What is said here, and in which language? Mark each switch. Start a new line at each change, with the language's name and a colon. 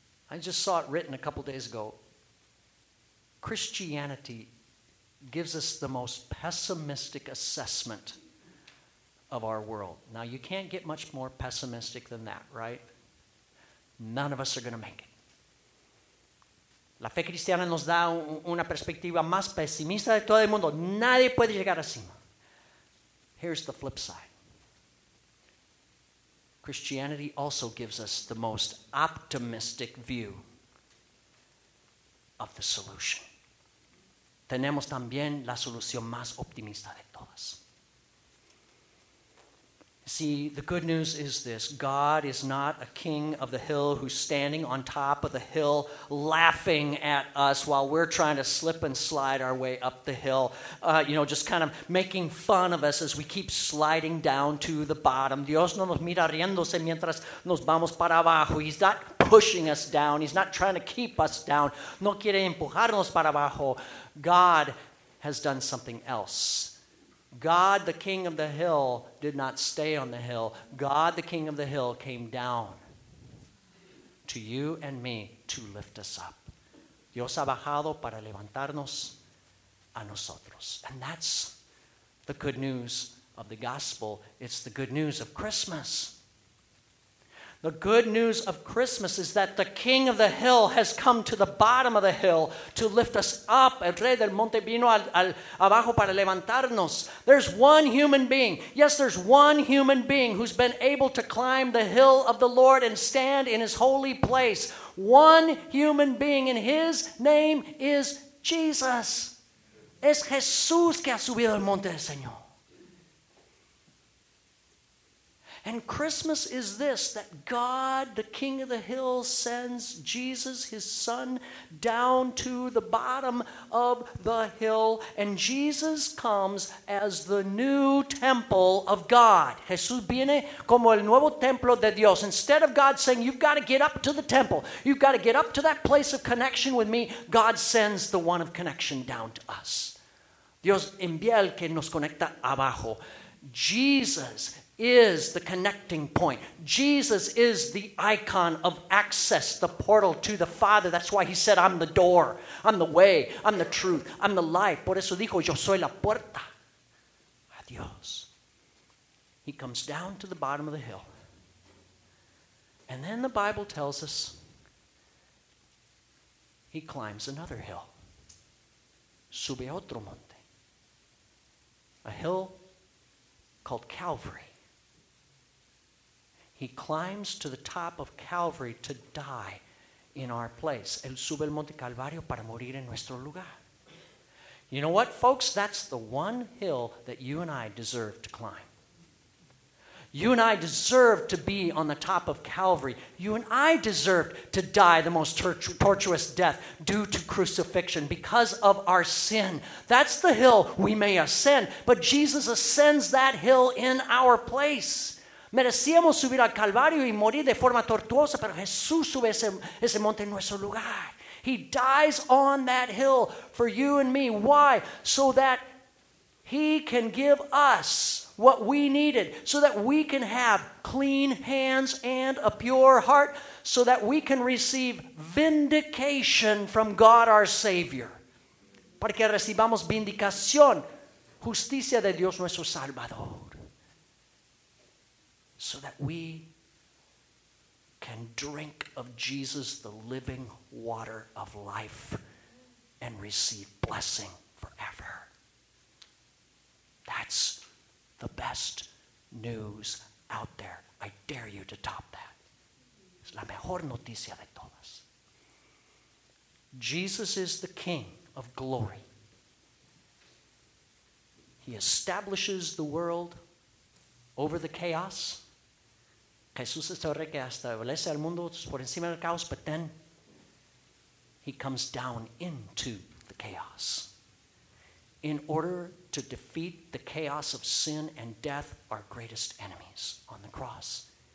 English: I just saw it written a couple days ago. Christianity gives us the most pessimistic assessment of our world. Now, you can't get much more pessimistic than that, right? None of us are going to make it.
Spanish: La fe cristiana nos da una perspectiva más pesimista de todo el mundo. Nadie puede llegar a cima.
English: Here's the flip side. Christianity also gives us the most optimistic view of the solution.
Spanish: Tenemos también la solución más optimista de todas.
English: See, the good news is this. God is not a king of the hill who's standing on top of the hill laughing at us while we're trying to slip and slide our way up the hill, just kind of making fun of us as we keep sliding down to the bottom.
Spanish: Dios no nos mira riéndose mientras nos vamos para abajo.
English: He's not pushing us down. He's not trying to keep us down.
Spanish: No quiere empujarnos para abajo.
English: God has done something else. God, the king of the hill, did not stay on the hill. God, the king of the hill, came down to you and me to lift us up.
Spanish: Dios ha bajado para levantarnos a nosotros.
English: And that's the good news of the gospel. It's the good news of Christmas. The good news of Christmas is that the king of the hill has come to the bottom of the hill to lift us up.
Spanish: El rey del monte vino abajo para levantarnos.
English: There's one human being. Yes, there's one human being who's been able to climb the hill of the Lord and stand in his holy place. One human being, and his name is Jesus.
Spanish: Es Jesús que ha subido al monte del Señor.
English: And Christmas is this, that God, the King of the Hill, sends Jesus, his son, down to the bottom of the hill. And Jesus comes as the new temple of God.
Spanish: Jesús viene como el nuevo templo de Dios.
English: Instead of God saying, you've got to get up to the temple, you've got to get up to that place of connection with me, God sends the one of connection down to us.
Spanish: Dios envía el que nos conecta abajo.
English: Jesus is the connecting point. Jesus is the icon of access, the portal to the Father. That's why he said, I'm the door, I'm the way, I'm the truth, I'm the life.
Spanish: Por eso dijo, yo soy la puerta a Dios.
English: He comes down to the bottom of the hill. And then the Bible tells us he climbs another hill.
Spanish: Sube otro monte.
English: A hill called Calvary. He climbs to the top of Calvary to die in our place.
Spanish: Él sube el monte Calvario para morir en nuestro lugar.
English: You know what, folks? That's the one hill that you and I deserve to climb. You and I deserve to be on the top of Calvary. You and I deserve to die the most tortuous death due to crucifixion because of our sin. That's the hill we may ascend, but Jesus ascends that hill in our place.
Spanish: Merecíamos subir al Calvario y morir de forma tortuosa, pero Jesús sube ese monte en nuestro lugar.
English: He dies on that hill for you and me. Why? So that he can give us what we needed so that we can have clean hands and a pure heart so that we can receive vindication from God our Savior.
Spanish: Para que recibamos vindicación, justicia de Dios nuestro Salvador.
English: So that we can drink of Jesus, the living water of life, and receive blessing forever. That's the best news out there. I dare you to top that.
Spanish: Es la mejor noticia de todas.
English: Jesus is the King of glory. He establishes the world over the chaos.
Spanish: Jesús es el rey que establece el mundo por encima del caos,
English: but then he comes down into the chaos. In order to defeat the chaos of sin and death, our greatest enemies, on the cross.